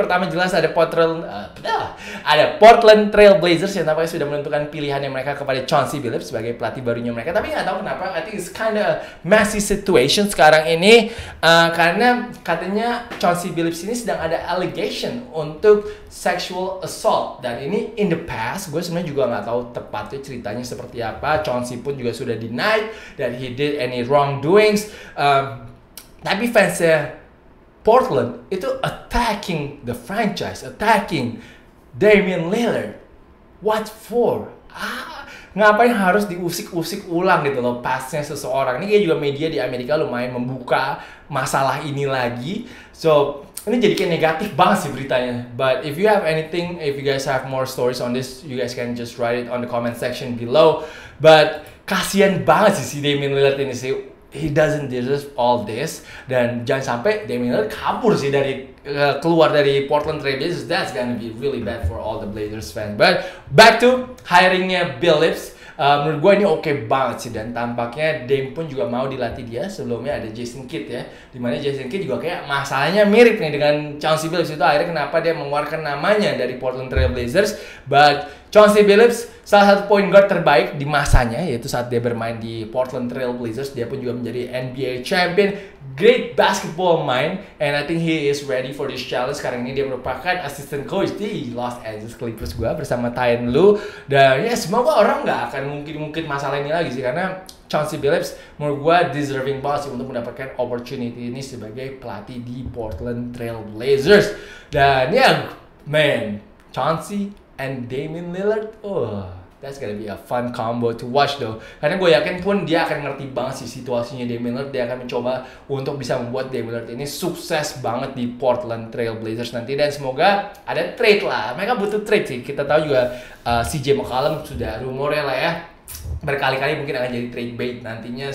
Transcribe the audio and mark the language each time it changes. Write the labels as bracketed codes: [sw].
[id] Pertama jelas ada Portland Trail Blazers yang tampaknya sudah menentukan pilihannya mereka kepada Chauncey Billups sebagai pelatih barunya mereka. Tapi gak tahu kenapa, [en] I think it's kind of messy situation [id] sekarang ini. Karena katanya Chauncey Billups ini sedang ada allegation untuk sexual assault. Dan ini [en] in the past, [id] gue sebenarnya juga gak tahu tepatnya ceritanya seperti apa. [en] Chauncey [id] pun juga sudah [en] denied that he did any wrongdoings. [id] Tapi fansnya Portland itu [en] attacking the franchise, attacking Damian Lillard. What for? [id] Ngapain harus diusik-usik ulang gitu loh pasnya seseorang. Ini kayak juga media di Amerika lumayan membuka masalah ini lagi. So, ini jadi kayak negatif banget sih beritanya. [en] But if you have anything, if you guys have more stories on this, you guys can just write it on the comment section below. [id] But, kasian banget sih si Damian Lillard ini sih. [en] He doesn't deserve all this. [id] Dan jangan sampai Damian Lillard kabur sih dari keluar dari Portland Trail Blazers. [en] That's gonna be really bad for all the Blazers fan. [id] But back to hiringnya Billups, menurut gue ini okay banget sih. Dan tampaknya Dame pun juga mau dilatih dia. Sebelumnya ada Jason Kidd ya, dimana Jason Kidd juga kayak masalahnya mirip nih dengan Chauncey Billups itu. Akhirnya kenapa dia mengeluarkan namanya dari Portland Trail Blazers. But Chauncey Billups, salah satu point guard terbaik di masanya, yaitu saat dia bermain di Portland Trail Blazers, dia pun juga menjadi NBA champion. [en] Great basketball mind, and I think he is ready for this challenge. [id] Sekarang ini dia merupakan assistant coach di Los Angeles Clippers gue bersama Tyen Lue. Dan ya, semoga orang nggak akan mungkin-mungkin masalah ini lagi sih, karena Chauncey Billups menurut gue deserving banget sih untuk mendapatkan opportunity ini sebagai pelatih di Portland Trail Blazers. Dan ya, man, [en] Chauncey and Damian Lillard, that's gonna be a fun combo to watch though. [id] Karena gue yakin pun dia akan ngerti banget sih situasinya Damian Lillard. Dia akan mencoba untuk bisa membuat Damian Lillard ini sukses banget di Portland Trail Blazers nanti. Dan semoga ada trade lah. Mereka butuh trade sih. Kita tahu juga CJ McCollum sudah rumornya lah ya, berkali-kali mungkin akan jadi trade bait nantinya.